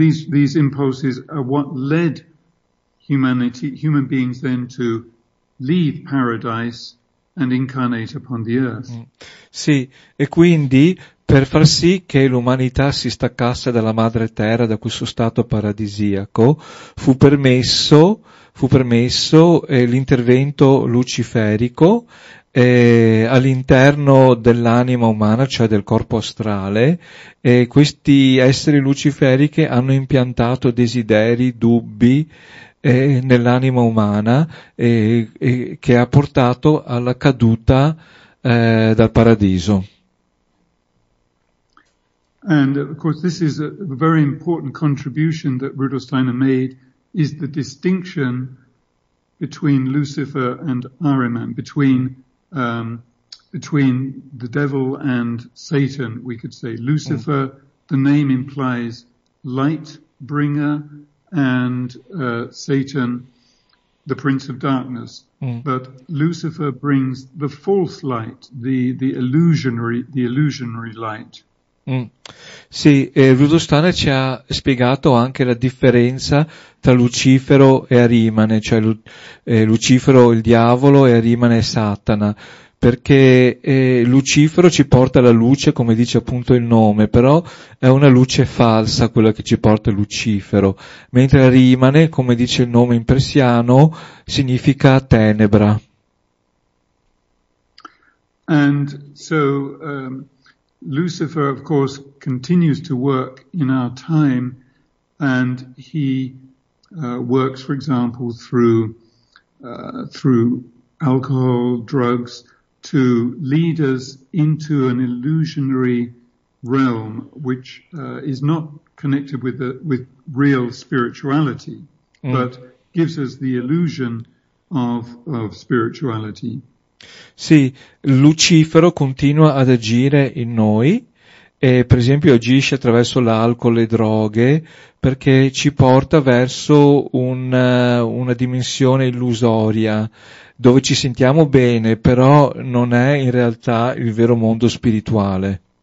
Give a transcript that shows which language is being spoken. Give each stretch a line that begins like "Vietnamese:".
English: These impulses are what led human beings then to leave paradise and incarnate upon the earth.
Italian: Sì, e quindi per far sì che l'umanità si staccasse dalla madre terra, da questo stato paradisiaco, fu permesso l'intervento luciferico all'interno dell'anima umana, cioè del corpo astrale, e questi esseri luciferiche hanno impiantato desideri, dubbi nell'anima umana che ha portato alla caduta dal paradiso.
English: And of course this is a very important contribution that Rudolf Steiner made, is the distinction between Lucifer and Ahriman, between the devil and Satan, we could say. Lucifer, mm. The name implies light bringer, and Satan, the prince of darkness. Mm. But Lucifer brings the false light, the illusionary light. Mm.
Italian: Sì, Rudolstana ci ha spiegato anche la differenza tra Lucifero e Arimane, cioè Lucifero il diavolo e Arimane Satana, perché Lucifero ci porta la luce, come dice appunto il nome, però è una luce falsa quella che ci porta Lucifero, mentre Arimane, come dice il nome in persiano, significa tenebra.
English: And so Lucifer, of course, continues to work in our time, and he works, for example, through alcohol, drugs, to lead us into an illusionary realm, which is not connected with real spirituality, but gives us the illusion of spirituality.
Italian: Sì, Lucifero continua ad agire in noi, e per esempio agisce attraverso l'alcol e le droghe, perché ci porta verso una dimensione illusoria, dove ci sentiamo bene, però non è in realtà il vero mondo spirituale.